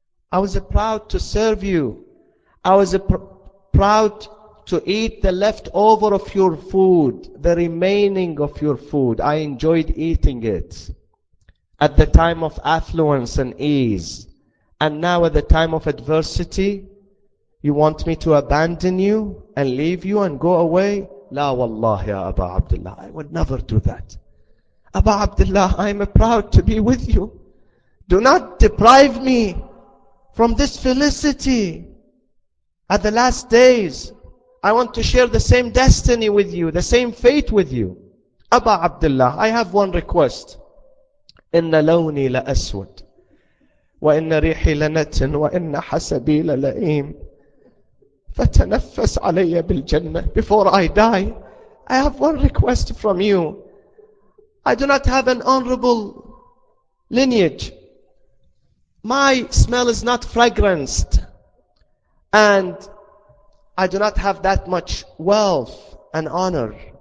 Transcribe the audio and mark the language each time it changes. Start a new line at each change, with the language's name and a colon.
English: I was proud to serve you. I was proud to eat the leftover of your food, the remaining of your food. I enjoyed eating it at the time of affluence and ease. And now at the time of adversity, you want me to abandon you and leave you and go away?
Arabic: لا والله يا أبا عبد الله,
English: I would never do that. أبا عبد الله, I am proud to be with you. Do not deprive me from this felicity. At the last days, I want to share the same destiny with you, the same fate with you. أبا عبد الله, I have one request.
Arabic: إن لوني لأسود وإن ريحي لنتن وإن حسبي للئيم فتنفس علي بالجنة.
English: Before I die, I have one request from you. I do not have an honorable lineage. My smell is not fragranced. And I do not have that much wealth and honor.